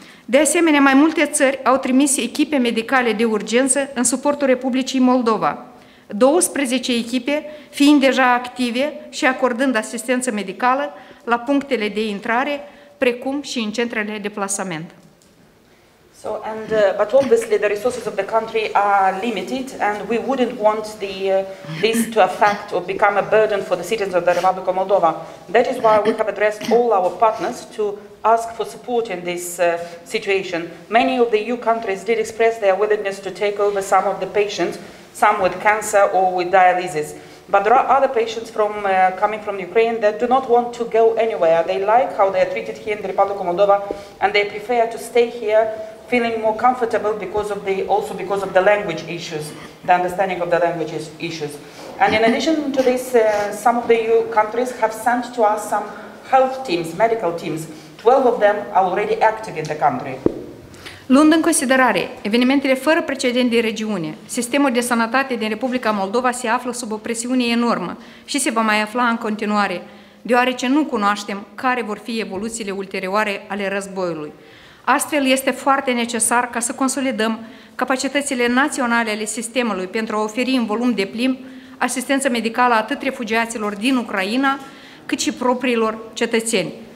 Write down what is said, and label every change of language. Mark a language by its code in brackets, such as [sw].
[ro] De asemenea, mai multe țări au trimis echipe medicale de urgență în suportul Republicii Moldova, 12 echipe fiind deja active și acordând asistență medicală la punctele de intrare, precum și în centrele de plasament. [en] So, and but obviously the resources of the country are limited, and we wouldn't want the this to affect or become a burden for the citizens of the Republic of Moldova. That is why we have addressed all our partners to ask for support in this situation. Many of the EU countries did express their willingness to take over some of the patients, some with cancer or with dialysis. But there are other patients from coming from Ukraine that do not want to go anywhere. They like how they are treated here in the Republic of Moldova, and they prefer to stay here, feeling more comfortable because of the also because of the language issues, the understanding of the language issues. And in addition to this, some of the EU countries have sent to us some health teams, medical teams. 12 of them are already active in the country. [ro] Luând în considerare evenimentele fără precedent din regiune, sistemul de sănătate din Republica Moldova se află sub o presiune enormă și se va mai afla în continuare, deoarece nu cunoaștem care vor fi evoluțiile ulterioare ale războiului. Astfel, este foarte necesar ca să consolidăm capacitățile naționale ale sistemului pentru a oferi în volum deplin asistență medicală atât refugiaților din Ucraina, cât și propriilor cetățeni.